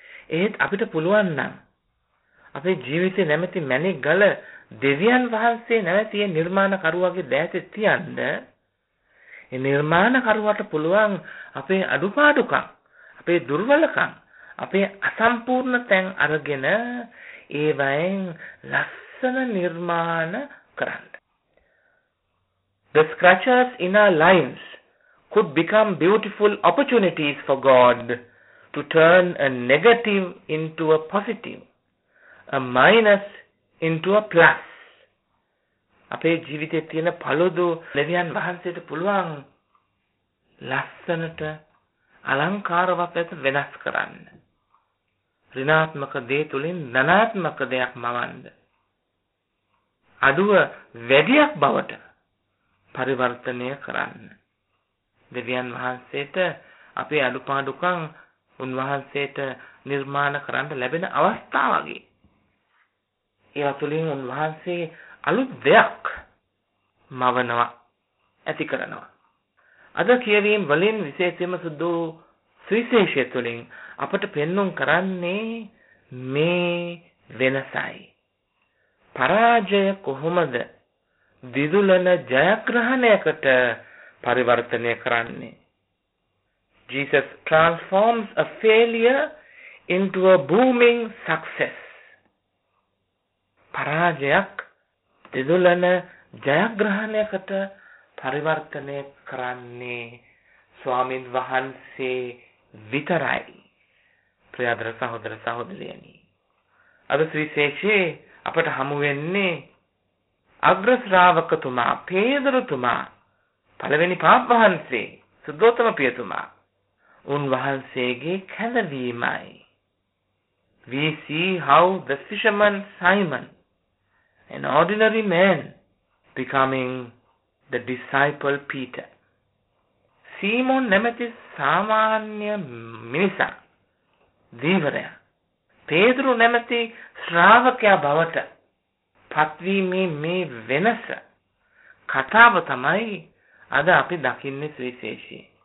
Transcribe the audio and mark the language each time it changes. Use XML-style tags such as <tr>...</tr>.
<si>ඒත් අපිට පුළුවන් නම් අපේ ජීවිතේ නැමැති මැණික් ගල දෙවියන් වහන්සේ නැවතිය නිර්මාණකරුවාගේ දෑතේ තියන්න, ඒ නිර්මාණකරුවාට පුළුවන් අපේ අඩුපාඩුකම්, අපේ දුර්වලකම්, අපේ අසම්පූර්ණ තැන් අරගෙන ඒවයින් ලස්සන නිර්මාණ කරන්න.</si> <en>The scratches in our lives could become beautiful opportunities for God to turn a negative into a positive, a minus into a plus.</en> <si>අපේ ජීවිතයේ තියෙන පළදු දෙවියන් වහන්සේට පුළුවන් ලස්සනට අලංකාරවත් ඇත වෙනස් කරන්න. ඍණාත්මක දේ තුළින් ධනාත්මක දෙයක් මවන්න. අදුව වැඩියක් බවට පරිවර්තනය කරන්න. දෙවියන් වහන්සේට අපේ අඩුපාඩුකම් උන්වහන්සේට නිර්මාණ කරන්න ලැබෙන අවස්ථාව වගේ. ඒවා තුළින් උන්වහන්සේ අලුත් දෙයක් මවනවා, ඇති කරනවා. අද කියවීම් වලින් විශේෂයෙන්ම සුදු සුවිශේෂය තුළින් අපට පෙන්නුම් කරන්නේ මේ වෙනසයි. පරාජය කොහොමද දිදුලන ජයග්‍රහණයකට පරිවර්තනය කරන්නේ?</si> <en>Jesus transforms a failure into a booming success.</en> <si>පරාජයක් දිදුලන ජයග්‍රහණයකට පරිවර්තනය කරන්නේ ස්වාමින් වහන්සේ විතරයි. ප්‍රියදර සහෝදර සහෝදරියනි, අද සුවිශේෂයේ අපට හමු වෙන්නේ අග්‍රශ්‍රාවකතුමා, පේදරතුමා, පළවෙනි පාප් වහන්සේ, සුද්ධෝත්තම පියතුමා, උන්වහන්සේගේ කැඳවීමයි.</si> <en>We see how the fisherman Simon, an ordinary man, becoming the disciple Peter.</en> <si>Simon නැමැති සාමාන්‍ය මිනිසා, ධීවරයා, පේදුරු නැමැති ශ්‍රාවකයා බවට පත්වීමේ මේ වෙනස කතාව තමයි අද අපි දකින්නේ සුවිශේෂී.</si>